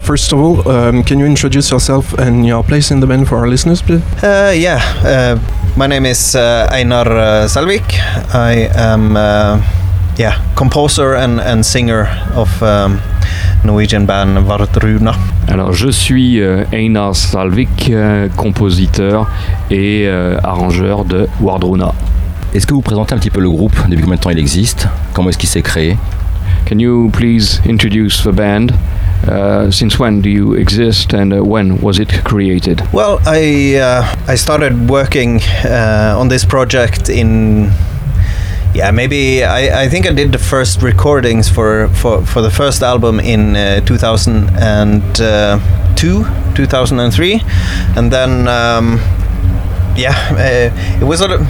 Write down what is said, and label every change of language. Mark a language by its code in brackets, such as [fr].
[en] First of all, can you introduce yourself and your place in the band for our listeners, please? My name is Einar Selvik. I am composer and singer of Norwegian band Vardruna. [fr] Alors, je suis Einar Selvik, compositeur et arrangeur de Vardruna. Est-ce que vous présentez un petit peu le groupe, depuis combien de temps il existe, comment est-ce qu'il s'est créé? [en] Can you please introduce the band? Since when do you exist, and when was it created? Well, I started working on this project in I think I did the first recordings for the first album in 2003, and then it was a.